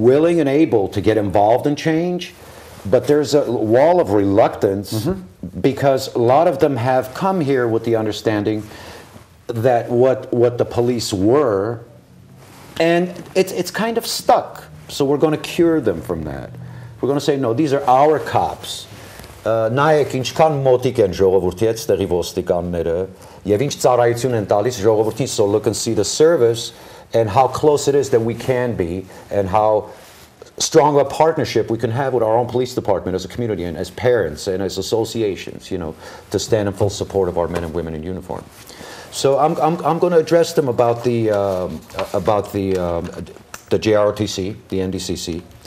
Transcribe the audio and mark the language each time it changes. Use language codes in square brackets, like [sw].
[en] Willing and able to get involved in change, but there's a wall of reluctance mm-hmm. because a lot of them have come here with the understanding that what the police were, and it's kind of stuck. So we're going to cure them from that. We're going to say, no, these are our cops. [hy] Նայեք ինչքան մոտիկ են ժողովրդի հետ ստեղի ոստիկանները եւ ինչ ծառայություն են տալիս ժողովրդին. [en] So look and see the service and how close it is that we can be and how strong a partnership we can have with our own police department as a community and as parents and as associations, you know, to stand in full support of our men and women in uniform. So I'm going to address them about the JROTC, the NDCC.